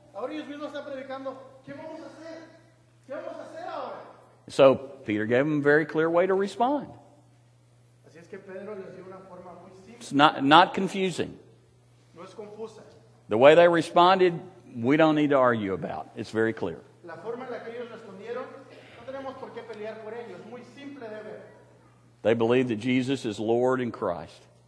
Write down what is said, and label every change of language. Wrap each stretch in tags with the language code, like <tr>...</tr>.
<es>Ahora ellos mismos están predicando, ¿qué vamos a hacer? ¿Qué vamos a hacer ahora?</es> <en>So Peter gave them a very clear way to respond.</en> <es>Así es que Pedro les dio una forma muy simple.</es> <en>It's not confusing.</en> <es>No es confusa.</es> <en>The way they responded, we don't need to argue about. It's very clear.</en> <es>La forma en la que ellos respondieron, no tenemos por qué pelear por ello. Es muy simple de ver.</es> <en>They believe that Jesus is Lord and Christ.</en>